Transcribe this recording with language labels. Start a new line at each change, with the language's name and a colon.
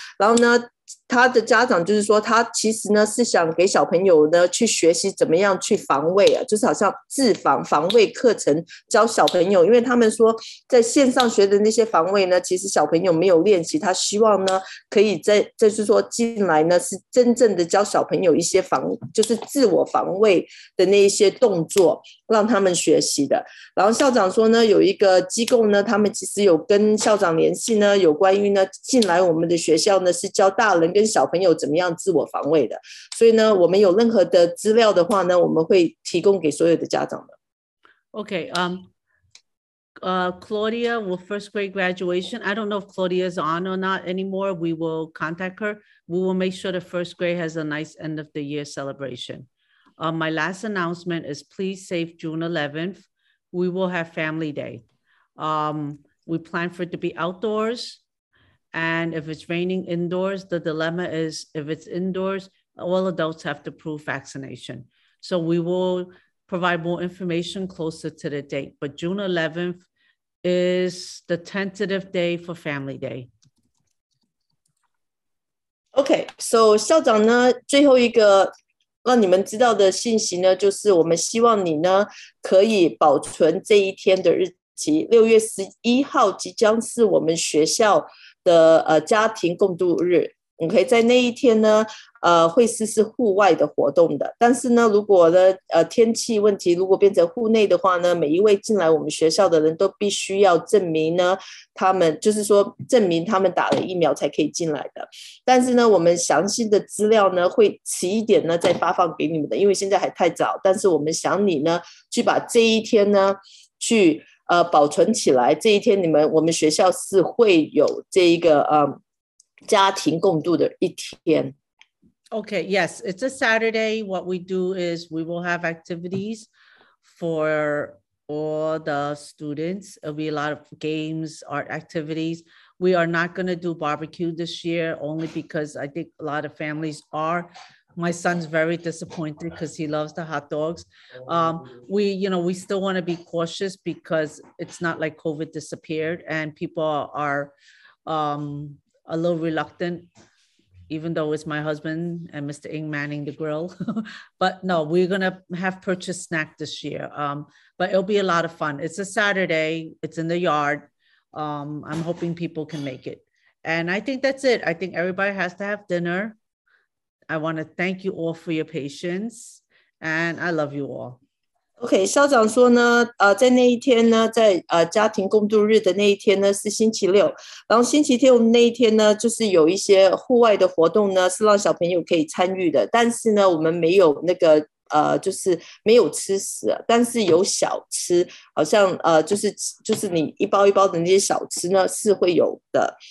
Chinese: 然后呢，他的家长就是说，他其实呢是想给小朋友呢去学习怎么样去防卫啊，就是好像自防防卫课程教小朋友，因为他们说在线上学的那些防卫呢，其实小朋友没有练习，他希望呢可以在就是说进来呢是真正的教小朋友一些防就是自我防卫的那一些动作，让他们学习的。然后校长说呢，有一个机构呢，他们其实有跟校长联系呢，有关于呢进来我们的学校呢是教大人跟小朋友怎么样自我防卫的，所以呢我们有任何的资料的话呢，我们会提供给所有的家长的。
English: Okay, Claudia with first grade graduation, I don't know if Claudia is on or not anymore, we will contact her. We will make sure the first grade has a nice end of the year celebration. My last announcement is please save June 11th. We will have family day. We plan for it to be outdoors. And if it's raining indoors, the dilemma is if it's indoors, all adults have to prove vaccination. So we will provide more information closer to the date. But June 11th is the tentative day for family day. Okay, so
Chinese: 校长呢，最后一个让你们知道的信息呢，就是我们希望你呢可以保存这一天的日期。 6月11号即将是我们学校的家庭共度日， OK， 在那一天呢会实施户外的活动的。但是呢如果呢天气问题如果变成户内的话呢，每一位进来我们学校的人都必须要证明呢他们就是说证明他们打了疫苗才可以进来的。但是呢我们详细的资料呢会迟一点呢再发放给你们的，因为现在还太早，但是我们想你呢去把这一天呢去保存起来，这一天你们我们学校是会有这一个家庭共度的一天。
English: Okay, yes, it's a Saturday. What we do is we will have activities for all the students. It'll be a lot of games, art activities. We are not going to do barbecue this year, only because I think a lot of families are. My son's very disappointed because he loves the hot dogs. We, you know, we still want to be cautious because it's not like COVID disappeared and people are a little reluctant, even though it's my husband and Mr. Ng manning the grill. But no, we're going to have purchased snack this year. But it'll be a lot of fun. It's a Saturday. It's in the yard. I'm hoping people can make it. And I think that's it. I think everybody has to have dinner. I want to thank you all for your patience. And I love you all.
Chinese: OK, 校长说呢，在那一天呢，在家庭共度日的那一天呢，是星期六。然后星期天我们那一天呢，就是有一些户外的活动呢，是让小朋友可以参与的。但是呢，我们没有那个就是没有吃食，但是有小吃，好像就是你一包一包的那些小吃呢是会有的。